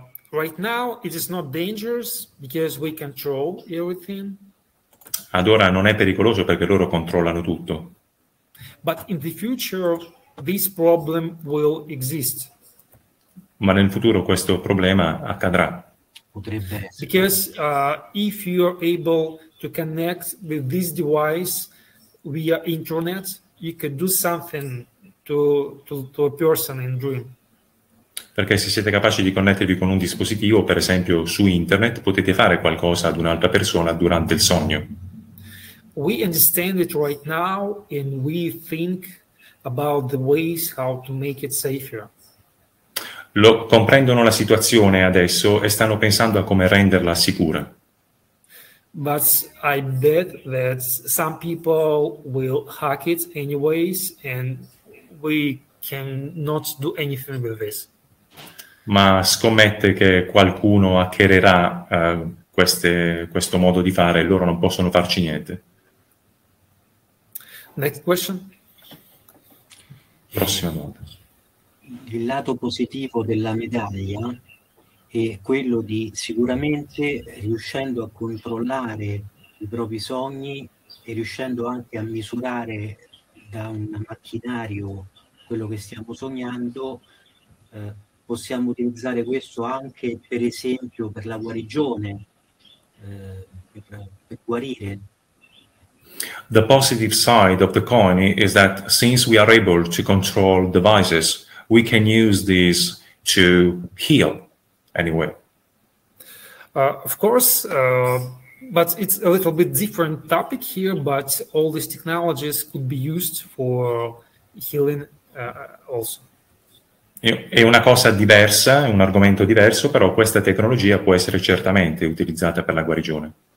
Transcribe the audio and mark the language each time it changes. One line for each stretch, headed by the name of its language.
English: Right now it is not dangerous because we control everything.
Italian: Ad ora non è pericoloso perché loro controllano tutto.
English: But in the future this problem will exist.
Italian: Ma nel futuro questo problema accadrà. Potrebbe essere.
English: Because if you are able to connect with this device via internet, you could do something to a person in dream.
Italian: Perché se siete capaci di connettervi con un dispositivo, per esempio su internet, potete fare qualcosa ad un'altra persona durante il sogno.
English: We understand it right now and we think about the ways how to make it safer.
Italian: Lo comprendono la situazione adesso e stanno pensando a come renderla sicura.
English: But I bet that some people will hack it anyways and we cannot do anything with this.
Italian: Ma scommette che qualcuno hackererà questo modo di fare e loro non possono farci niente.
English: Next question.
Italian: Prossima domanda. Il lato positivo della medaglia è quello di sicuramente riuscendo a controllare i propri sogni e riuscendo anche a misurare da un macchinario quello che stiamo sognando, possiamo utilizzare questo anche per esempio per la guarigione, per guarire.
English: The positive side of the coin is that since we are able to control devices, we can use these to heal anyway. Of course, but it's a little bit different topic here, but all these technologies could be used for healing also.
Italian: È una cosa diversa, è un argomento diverso, però questa tecnologia può essere certamente utilizzata per la guarigione.